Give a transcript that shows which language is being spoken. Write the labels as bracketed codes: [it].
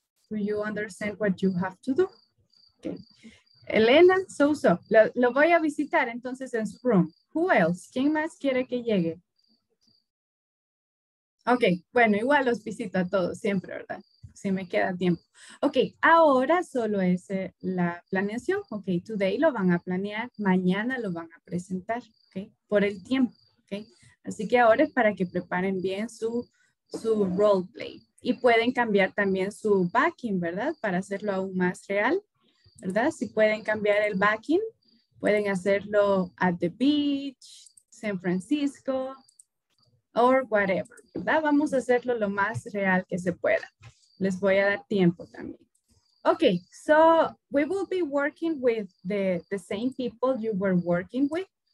[en] Do you understand what you have to do? Okay. [es] Elena, so, lo voy a visitar entonces en su room. [en] Who else? [es] ¿Quién más quiere que llegue? Ok, bueno, igual los visito a todos siempre, ¿verdad? Si me queda tiempo. Ok, ahora solo es la planeación. Ok, today lo van a planear, mañana lo van a presentar, ok, por el tiempo. Ok, así que ahora es para que preparen bien su role play. Y pueden cambiar también su backing, ¿verdad? Para hacerlo aún más real, ¿verdad? Si pueden cambiar el backing, pueden hacerlo [en] at the beach, San Francisco, or whatever, [es] ¿verdad? Vamos a hacerlo lo más real que se pueda. Les voy a dar tiempo también. [en] Okay, so we will be working with the same people you were working with.